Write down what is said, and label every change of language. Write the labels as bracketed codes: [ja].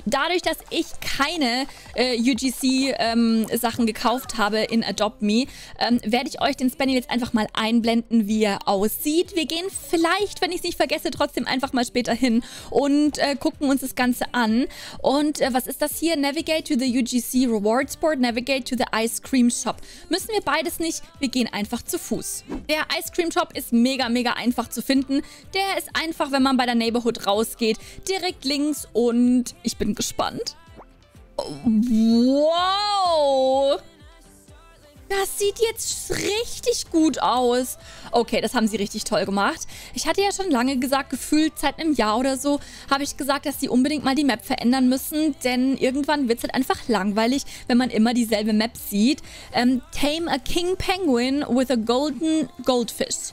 [de] Dadurch, dass ich keine UGC Sachen gekauft habe in Adopt Me, werde ich euch den Spaniel jetzt einfach mal einblenden, wie er aussieht. Wir gehen vielleicht, wenn ich es nicht vergesse, trotzdem einfach mal später hin und gucken uns das Ganze an. Und was ist das hier? [en] Navigate to the UGC Rewards Board, navigate to the Ice Cream Shop. [de] Müssen wir beides nicht, wir gehen einfach zu Fuß. Der Ice Cream Shop ist mega, mega einfach zu finden. Der ist einfach, wenn man bei der Neighborhood rausgeht, direkt links und ich bin gespannt. Wow! Das sieht jetzt richtig gut aus. Okay, das haben sie richtig toll gemacht. Ich hatte ja schon lange gesagt, gefühlt seit einem Jahr oder so, habe ich gesagt, dass sie unbedingt mal die Map verändern müssen. Denn irgendwann wird es halt einfach langweilig, wenn man immer dieselbe Map sieht. [en] Tame a King Penguin with a Golden Goldfish.